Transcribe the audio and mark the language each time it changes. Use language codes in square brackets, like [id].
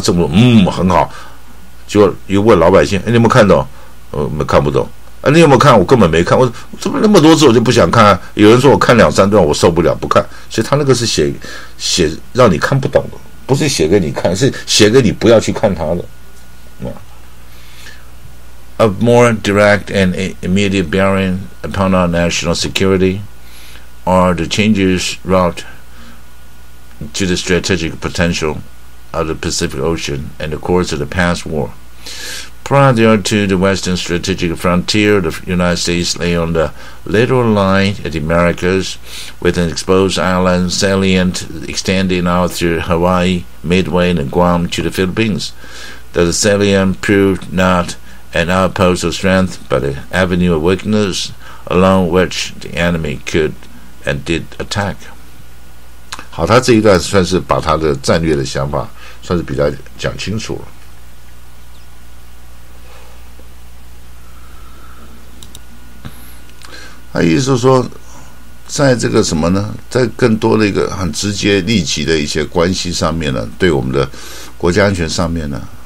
[zh] 政府说，嗯，很好。结果又问老百姓，哎，你有没有看懂？没看不懂。啊，你有没有看？我根本没看。我怎么那么多字，我就不想看、啊。有人说我看两三段，我受不了，不看。所以他那个是写让你看不懂的，不是写给你看，是写给你不要去看他的。 [en] A more direct and immediate bearing upon our national security are the changes wrought to the strategic potential of the Pacific Ocean and the course of the past war. Prior to the western strategic frontier, the United States lay on the littoral line at the Americas with an exposed island salient extending out through Hawaii, Midway, and Guam to the Philippines. The salient proved not an outpost of strength, but an avenue of weakness along which the enemy could and did attack. [zh] 好，他这一段算是把他的战略的想法算是比较讲清楚了。他意思是说在这个什么呢，在更多的一个很直接立即的一些关系上面呢，对我们的国家安全上面呢，